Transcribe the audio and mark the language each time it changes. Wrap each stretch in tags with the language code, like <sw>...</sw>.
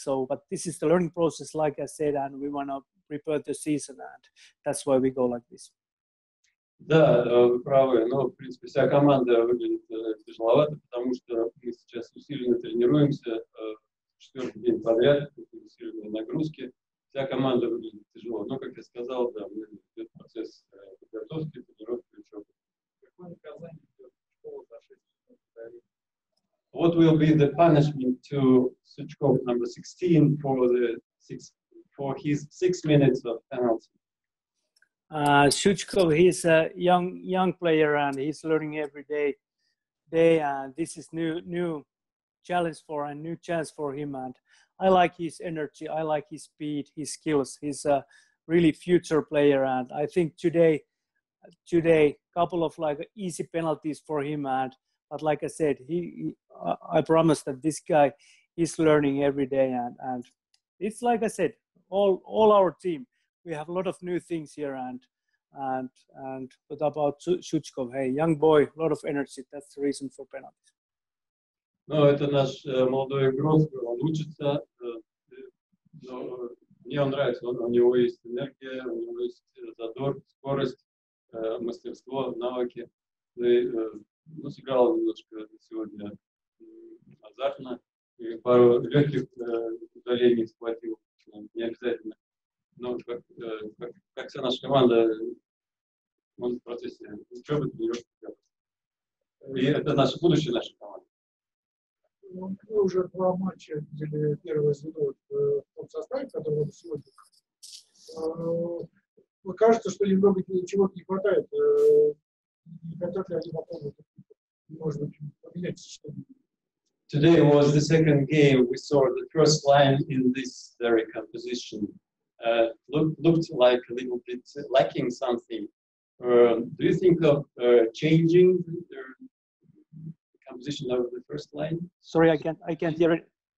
<en>So, but this is the learning process, like I said, and we want to prepare the season, and that's why we go like this.</en> <ru>Да, вы правы. Но, в принципе, вся команда выглядит тяжеловато, потому что мы сейчас усиленно тренируемся четвертый день подряд, усиленные нагрузки. Вся команда выглядит тяжело. Но, как я сказал, да, мы идет процесс подготовки, тренировки, учебы. Какое наказание идет в школу за 6 минут?</ru> <en>What will be the punishment to Сучков number 16 for his 6 minutes of penalty? Shuchkov, he's a young player, and he's learning every day, and this is new challenge for him, and I like his energy, I like his speed, his skills. He's a really future player, and I think today couple of like easy penalties for him, but like I said, I promise that this guy is learning every day, and it's like I said, all our team, we have a lot of new things here, and what about Shuchkov? Hey, young boy, a lot of energy. That's the reason for penalty.</en> <ru>No, это наш молодой игрок, он учится. Но мне он нравится. У него есть энергия, у него есть задор, скорость, мастерство, навыки. Ну, сыграл немножко сегодня азартно. И пару легких удалений схватил. Не обязательно. Но как вся наша команда, он в процессе учебы, тренировки. И это наше будущее, наша команда. Вы уже 2 матча видели первое звено в том составе, который вы сегодня. Вы кажется, что немного чего-то не хватает. Не хотят ли они попробовать, может быть, поменять что-то?</ru> <en>Today was the second game. We saw the first line in this very composition. Looked like a little bit lacking something. Do you think of changing the composition of the first line? Sorry, I can't hear it.</en>